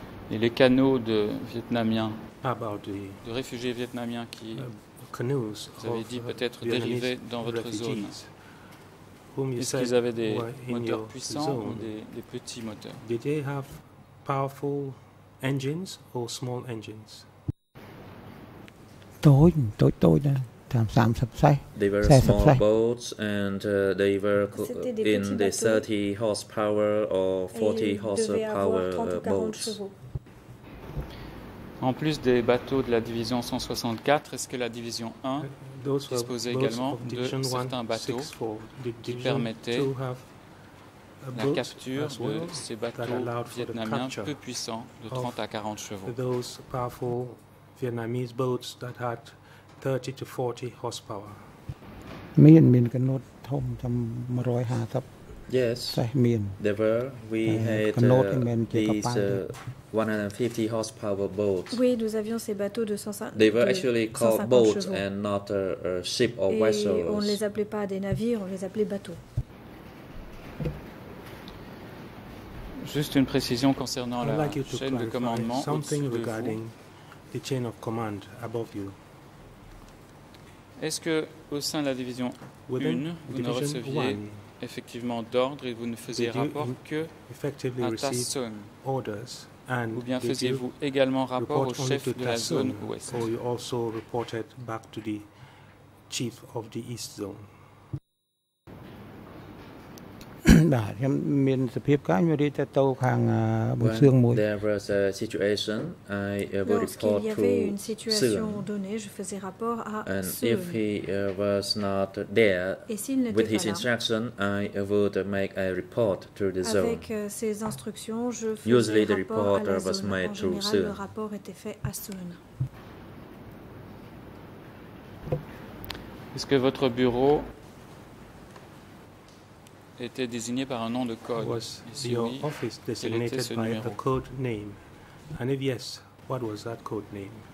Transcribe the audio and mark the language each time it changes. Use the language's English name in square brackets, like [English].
[French] Et les canaux de vietnamiens, de réfugiés vietnamiens qui, vous avez dit, peut-être dérivés dans votre zone, est-ce qu'ils avaient des moteurs puissants ou des petits moteurs? [English] Did they have powerful engines or small engines? They were small boats and they were in the 30 horsepower or 40 horsepower boats. [French] En plus des bateaux de la division 164, est-ce que la division 1 disposait également de certains bateaux qui permettaient la capture de ces bateaux vietnamiens peu puissants de 30 à 40 chevaux? [English] Those powerful Vietnamese boats that had 30 to 40 horsepower. [Khmer] មានកណូតធំ150 [English] Yes, there were. We had these 150 horsepower boats. [French] Oui, nous avions ces bateaux de 150 [English] They were actually called boats [French] chevaux. [English] And not a ship or [French] et [English] vessels. [French] On ne les appelait pas des navires, on les appelait bateaux. Juste une précision concernant la chaîne de commandement au-dessus de vous. [English] The chain of command above you. [French] Est-ce que au sein de la division 1, vous ne receviez effectivement d'ordre et vous ne faisiez rapport que à Tasson? Ou bien faisiez-vous également rapport au chef de la zone ouest? [English] Or you also reported back to the chief of the east zone? When there was a situation, I would report to Soon. And if he was not there with his instruction, I would make a report to the zone. Usually the report was made to Soon. [French] Est-ce que votre bureau était désigné par un nom de code? [English] Was your office designated by the code name? And if yes, what was that code name?